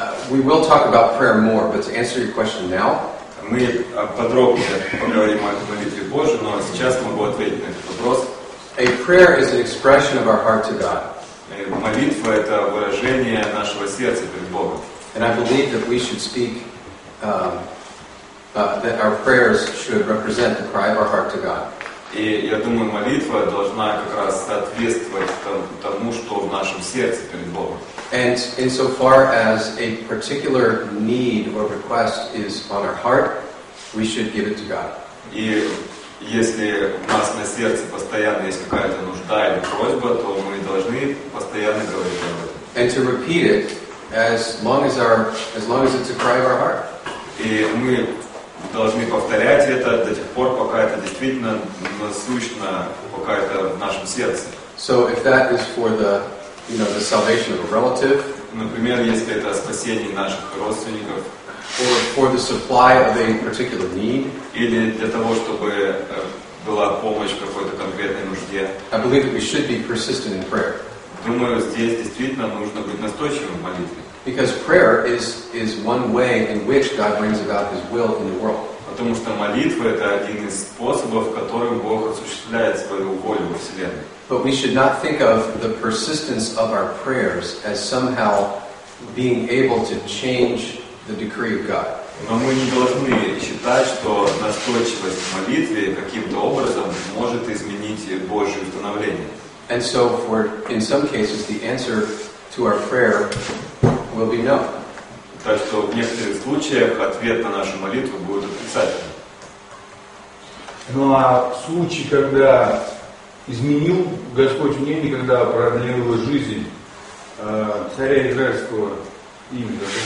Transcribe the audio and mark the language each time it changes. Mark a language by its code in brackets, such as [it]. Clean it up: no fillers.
[en] We will talk about prayer more, but to answer your question now, [ru] мы подробнее поговорим о молитве Божьей, но сейчас могу ответить на этот вопрос. [en] A prayer is an expression of our heart to God. [ru] Молитва – это выражение нашего сердца перед Богом. [en] And I believe that we should speak, that our prayers should represent the cry of our heart to God. [ru] И я думаю, молитва должна как раз соответствовать тому, что в нашем сердце перед Богом. [en] And insofar as a particular need or request is on our heart, we should give it to God. [ru] И если у нас на сердце постоянно есть какая-то нужда или просьба, то мы должны постоянно говорить об этом. [en] And to repeat it as long as it's a cry of our heart. [ru] И мы должны повторять это до тех пор, пока это действительно насущно, пока это в нашем сердце. [en] So if that is for the, you know, the salvation of a relative, [ru] например, если это спасение наших родственников, [en] or for the supply of a particular need, [ru] или для того, чтобы была помощь какой-то конкретной нужде, [en] I believe that we should be persistent in prayer. [ru] Думаю, здесь действительно нужно быть настойчивым в молитве. [en] Because prayer is one way in which God brings about His will in the world. [ru] Потому что молитва это один из способов, которым Бог осуществляет свою волю во вселенной. [en] But we should not think of the persistence of our prayers as somehow being able to change the decree of God. [ru] Но мы не должны считать, что настойчивость в молитве каким-то образом может изменить Божье установление. [en] And so, in some cases, the answer to our prayer will be no. [ru] Так что в некоторых случаях ответ на нашу молитву будет отрицательным. Ну а случай, когда изменил Господь мнение, когда продлил жизнь царя израильского имени,